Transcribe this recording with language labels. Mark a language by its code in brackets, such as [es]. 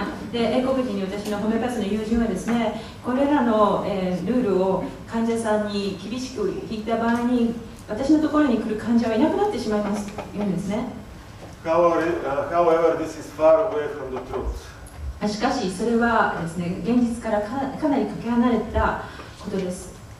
[ja] で、英国人に私のホメオパスの友人はですね、これらの、ルールを患者さんに厳しく引いた場合に、私のところに来る患者はいなくなってしまいますというんですね。 [en] However, this is far away from the truth. [ja] しかし、それはですね、現実からかなりかけ離れたことです。